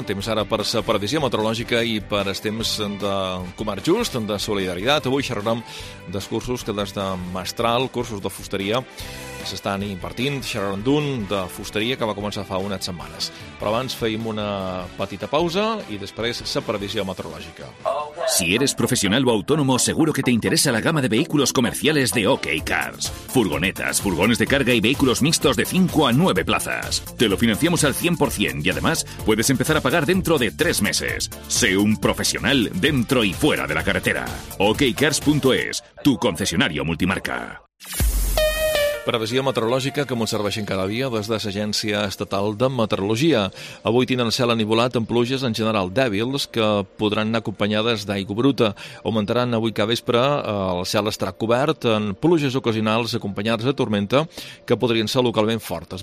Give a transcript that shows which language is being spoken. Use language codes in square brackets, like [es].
[ca] Temps ara per la previsió meteorològica i per el temps de comerç just, de solidaritat. Avui xerrarem dels cursos que des de Mestral, cursos de fusteria, s'estan impartint. Xerrarem d'un de fusteria que va començar fa unes setmanes. Però abans feim una petita pausa i després la previsió meteorològica. [es] Si eres profesional o autónomo, seguro que te interesa la gama de vehículos comerciales de OK Cars. Furgonetas, furgones de carga y vehículos mixtos de 5 a 9 plazas. Te lo financiamos al 100% y además puedes empezar a pagar dentro de 3 meses. Sé un profesional dentro y fuera de la carretera. OKCars.es, tu concesionario multimarca. [ca] Previsió meteorològica que ens serveixen cada dia des de l'Agència Estatal de Meteorologia. Avui tindran cel anivolat amb pluges en general dèbils que podran anar acompanyades d'aigua bruta. Augmentaran avui que vespre, el cel estarà cobert en pluges ocasionals acompanyades de tormenta que podrien ser localment fortes.